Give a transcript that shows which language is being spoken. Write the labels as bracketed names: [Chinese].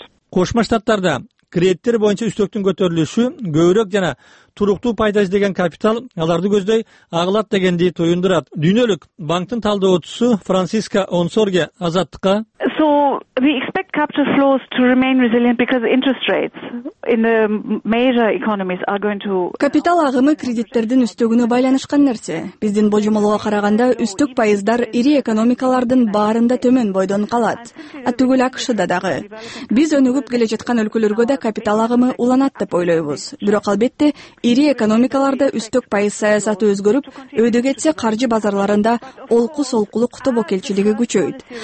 [Kyrgyz] Кошмо Штаттарда кредиттер боюнча үстөктүн көтөрүлүшү көбүрөөк жана туруктуу пайда издеген капитал аларды көздөй агылат дегенди тоюндурат. Дүйнөлүк банктын талдоочусу Франциска Онсорге Азаттыкка. [English] So we expect capital flows to remain resilient because interest rates in the major economies are going to [Kyrgyz] Капитал агымы кредиттердин үстөгүнө байланышкан нерсе. Биздин божомолго караганда үстөк пайыздар ири экономикалардын баарында төмөн бойдон калат. Атүгөл АКШ'да дагы. Биз өнүгүп келе жаткан өлкөлөргө да капитал агымы уланат деп ойлойбуз. Бирок албетте ири экономикаларда үстөк пайыз саясаты өзгөрүп, өйдө кетсе каржы базарларында олку-солкулук тобокелчилиги күчөйт.